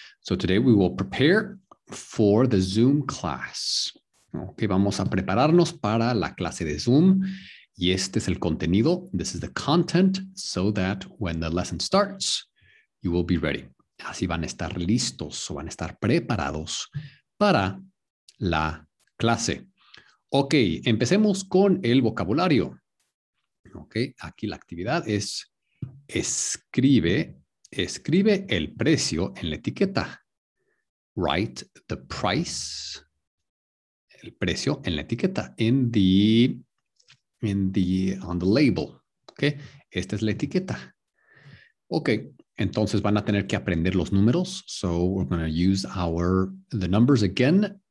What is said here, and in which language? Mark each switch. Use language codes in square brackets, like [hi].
[en] So today we will prepare for the Zoom class. [es] Okay, vamos a prepararnos para la clase de Zoom. Y este es el contenido. [en] This is the content so that when the lesson starts, you will be ready. [es] Así van a estar listos o van a estar preparados para la clase. Ok, empecemos con el vocabulario. Ok, aquí la actividad es escribe el precio en la etiqueta. [en] Write the price, [es] el precio en la etiqueta, [en] on the label. [es] Ok, esta es la etiqueta. Ok. Entonces van a tener que aprender los números. [en] So we're going to use the numbers again.